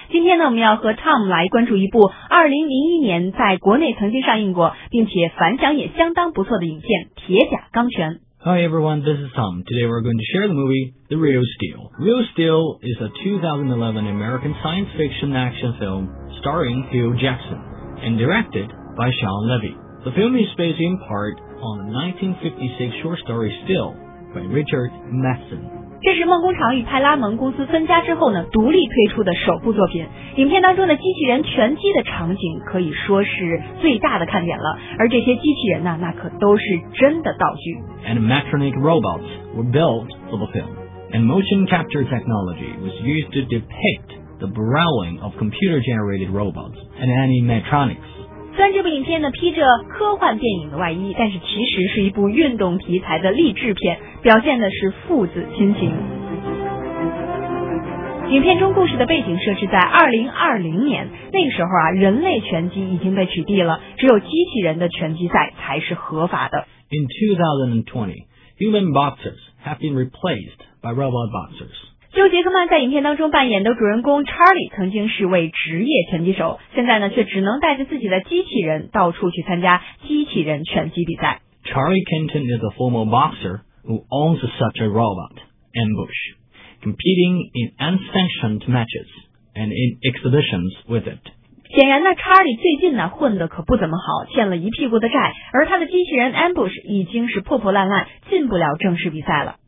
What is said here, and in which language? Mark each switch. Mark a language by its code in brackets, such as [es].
[zh] 今天呢，我们要和 Tom 来关注一部2001年在国内曾经上映过，并且反响也相当不错的影片《铁甲钢拳》。 [en] Hi everyone, this is Tom. Today we're going to share the movie The Real Steel. Real Steel is a 2011 American science fiction action film starring Hugh Jackman and directed by Sean Levy. The film is based in part on the 1956 short story Steel by Richard Matheson. [zh] 这是梦工厂与派拉蒙公司分家之后呢，独立推出的首部作品。影片当中的机器人拳击的场景可以说是最大的看点了，而这些机器人呢，那可都是真的道具。 [en] Animatronic robots were built for the film, and motion capture technology was used to depict the brawling of computer-generated robots and animatronics. [zh] 虽然这部影片呢披着科幻电影的外衣，但是其实是一部运动题材的励志片，表现的是父子亲情。影片中故事的背景设置在2020年，那个时候啊，人类拳击已经被取缔了，只有机器人的拳击赛才是合法的。 [en] In 2020, human boxers have been replaced by robot boxers. [zh] 休·杰克曼在影片当中扮演的主人公 Charlie 曾经是位职业拳击手，现在呢却只能带着自己的机器人到处去参加机器人拳击比赛。 [en] Charlie Kenton is a former boxer who owns such a robot, Ambush, competing in unsanctioned matches and in exhibitions with it. [zh] 显然呢 ，Charlie 最近呢混得可不怎么好，欠了一屁股的债，而他的机器人 Ambush 已经是破破烂烂，进不了正式比赛了。